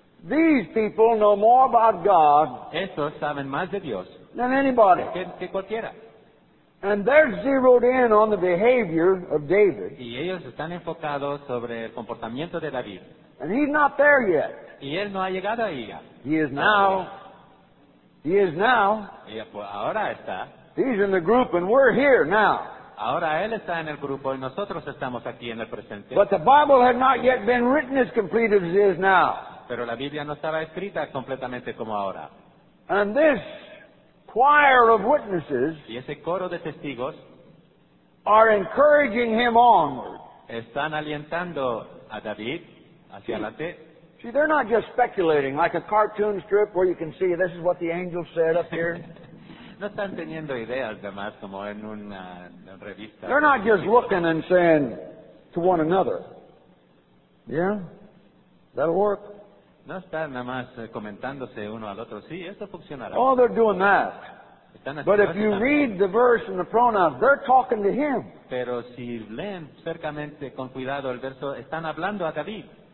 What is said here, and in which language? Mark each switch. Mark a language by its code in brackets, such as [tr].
[en] These people know more about God. [es] Estos saben más de Dios [en] than anybody. [es] Que cualquiera. [en] And they're zeroed in on the behavior of David. [es] Y ellos están enfocados sobre el comportamiento de David. [en] And he's not there yet. [es] Y él no ha llegado ahí ya. [en] He is now. He is now. [es] Ahora está. [en] He's in the group and we're here now. [es] Ahora él está en el grupo y nosotros estamos aquí en el presente. [en] But the Bible had not yet been written as complete as it is now. [es] Pero la Biblia no estaba escrita completamente como ahora. [en] And this choir of witnesses, [es] y ese coro de testigos, [en] are encouraging him onward. [es] Están alientando a David hacia adelante. [en] See, they're not just speculating, like a cartoon strip where you can see this is what the angel said up here. [es] No están teniendo ideas, además, como en una revista. [en] They're not just looking and saying to one another, yeah, that'll work. [es] No están nada más comentándose uno al otro, sí, esto funcionará. [en] Oh, they're doing that. But if you read the verse and the pronouns, they're talking to him. [es] Pero si leen cercamente, con cuidado el verso, están hablando a David.